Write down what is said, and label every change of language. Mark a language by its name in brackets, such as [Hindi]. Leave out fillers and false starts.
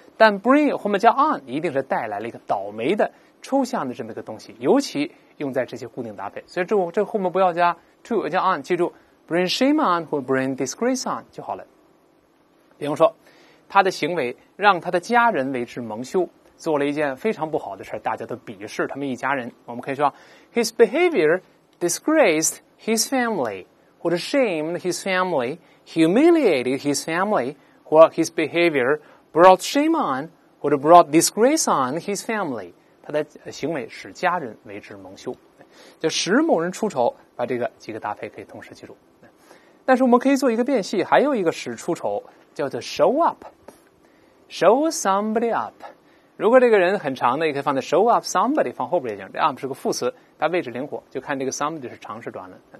[Chinese] 但 bring 后面加 on， 一定是带来了一个倒霉的、抽象的这么一个东西，尤其用在这些固定搭配。所以这后面不要加 to， 要加 on。记住 ， [English] bring shame on [Chinese] 或 [English] bring disgrace on [Chinese] 就好了。比方说，他的行为让他的家人为之蒙羞，做了一件非常不好的事，大家都鄙视他们一家人。我们可以说 [English] ，his behavior disgraced his family， 或者 shamed his family， humiliated his family， 或者 his behavior brought shame on， 或者 brought disgrace on his family。 [Chinese] 他的行为使家人为之蒙羞，就使某人出丑，把这个几个搭配可以同时记住。但是我们可以做一个变戏，还有一个使出丑。叫做 [English] show up， show somebody up。 [Chinese] 如果这个人很长的，也可以放在 [English] show up somebody， [Chinese] 放后边也行。这 up 是个副词，它位置灵活，就看这个 somebody 是长是短了。